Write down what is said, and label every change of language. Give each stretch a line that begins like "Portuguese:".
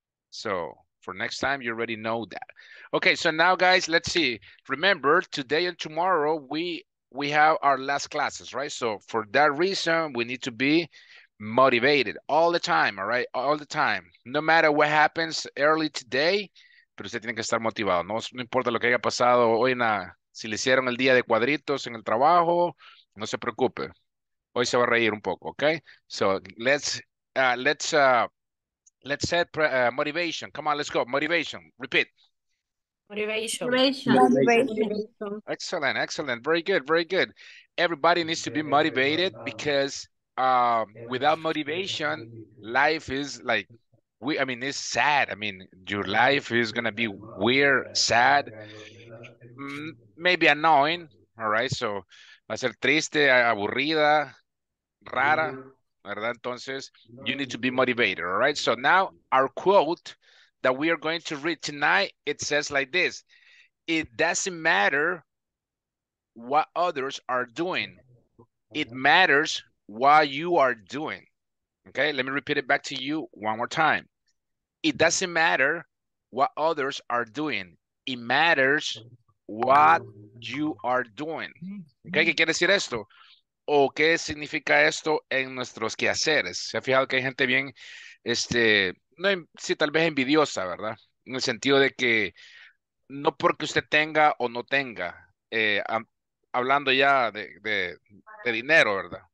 English: So for next time, you already know that. Okay, so now, guys, let's see. Remember, today and tomorrow, we have our last classes, right? So for that reason, we need to be motivated all the time, all right? All the time. No matter what happens early today,
Spanish: pero usted tiene que estar motivado. No, no importa lo que haya pasado hoy, en la, si le hicieron el día de cuadritos en el trabajo, no se preocupe. Hoy se va a reír un poco, okay?
English: So let's set motivation. Come on, let's go. Motivation. Repeat. Motivation. Excellent, excellent. Very good, very good. Everybody needs to be motivated, because without motivation, life is like, it's sad. I mean, your life is going to be weird, sad, maybe annoying, all right?
Spanish: So, va a ser triste, aburrida, rara, ¿verdad?
English: Entonces, you need to be motivated, all right? So, now, our quote that we are going to read tonight, it says like this: it doesn't matter what others are doing, it matters what you are doing. Okay, let me repeat it back to you one more time. It doesn't matter what others are doing, it matters what you are doing.
Spanish: Okay, ¿qué quiere decir esto? ¿O qué significa esto en nuestros quehaceres? ¿Se ha fijado que hay gente bien, no, sí, tal vez envidiosa, ¿verdad? En el sentido de que no porque usted tenga o no tenga, hablando ya de dinero, ¿verdad?